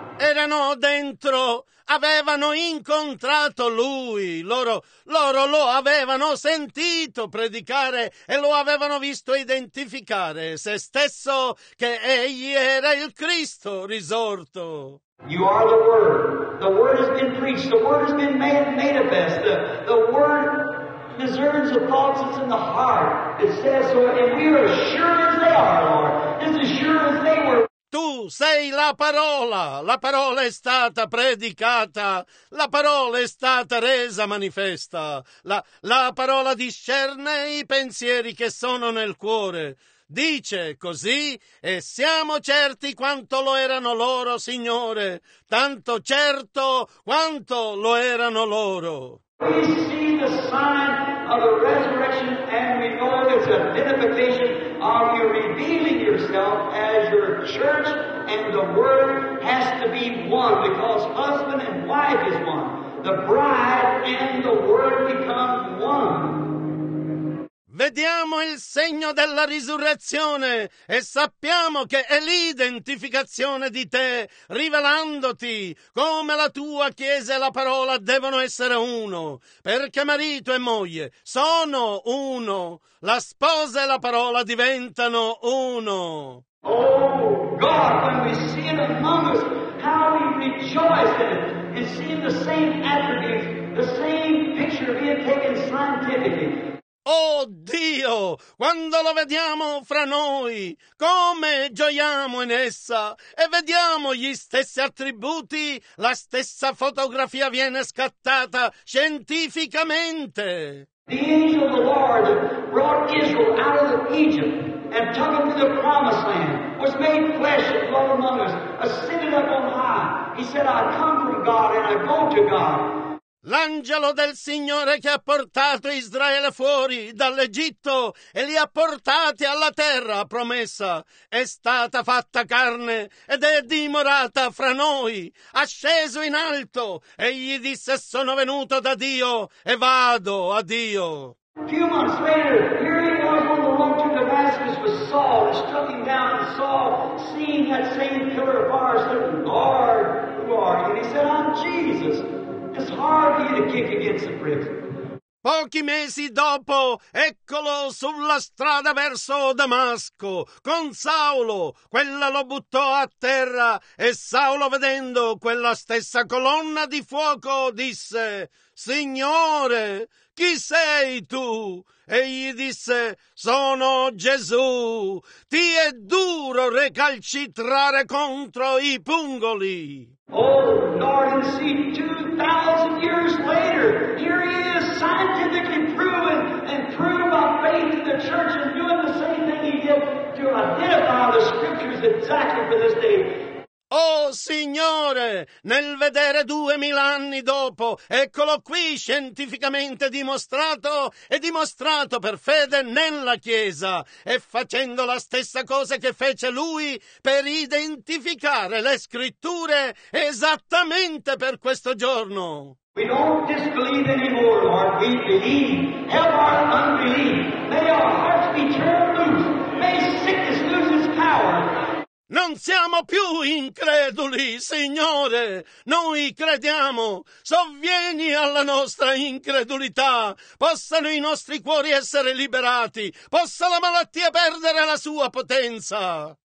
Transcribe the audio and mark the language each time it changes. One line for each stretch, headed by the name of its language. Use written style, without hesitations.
Italian: Erano dentro, avevano incontrato lui, loro lo avevano sentito predicare e lo avevano visto identificare se stesso che egli era il Cristo risorto.
English: You are the word has been preached, the word has been manifest, the word discerns the thoughts that's in the heart, it says so, and we are as sure as they are, Lord, as sure as they were.
Italian: Tu sei la parola è stata predicata, la parola è stata resa manifesta, la parola discerne i pensieri che sono nel cuore. Dice così e siamo certi quanto lo erano loro, Signore, tanto certo quanto lo erano loro.
English: We see the sign of the resurrection and we know it's an identification of you revealing yourself as your church and the word has to be one because husband and wife is one. The bride and the word become one.
Italian: Vediamo il segno della risurrezione e sappiamo che è l'identificazione di te, rivelandoti come la tua chiesa e la parola devono essere uno, perché marito e moglie sono uno, la sposa e la parola diventano uno.
English: Oh God, when we see it among us, how we rejoice in seeing the same attributes, the same picture being taken scientifically.
Italian: Oh Dio, quando lo vediamo fra noi, come gioiamo in essa e vediamo gli stessi attributi, la stessa fotografia viene scattata scientificamente.
English: The angel of the Lord that brought Israel out of Egypt and took them to the promised land was made flesh and dwelt among us, ascended up on high. He said, I come from God and I go to God.
Italian: L'angelo del Signore che ha portato Israele fuori dall'Egitto e li ha portati alla terra promessa è stata fatta carne ed è dimorata fra noi, ha sceso in alto e gli disse sono venuto da Dio e vado a Dio.
English: A few months later, here he was on the road to Damascus with Saul, and struck him down, and Saul, seeing that same pillar of fire, said, Lord, who are you? And he said, I'm Jesus. It's hard for you to kick against the bricks.
Italian: Pochi mesi dopo, eccolo sulla strada verso Damasco, con Saulo. Quella lo buttò a terra, e Saulo, vedendo quella stessa colonna di fuoco, disse, Signore, chi sei tu? E gli disse, sono Gesù. Ti è duro recalcitrare contro i pungoli.
English: Oh, Lord, and see, 2,000 years later, here he is, scientifically proven and proven by faith in the church and doing the same thing he did to identify the scriptures exactly for this day.
Italian: Oh, Signore, nel vedere 2,000 anni dopo, eccolo qui scientificamente dimostrato e dimostrato per fede nella Chiesa e facendo la stessa cosa che fece lui per identificare le scritture esattamente per questo giorno.
English: We don't disbelieve anymore, Lord. We believe. Help our unbelief. May our hearts be turned loose. May sickness lose its power.
Italian: Non siamo più increduli, Signore. Noi crediamo. Sovvieni alla nostra incredulità. Possano i nostri cuori essere liberati. Possa la malattia perdere la sua potenza.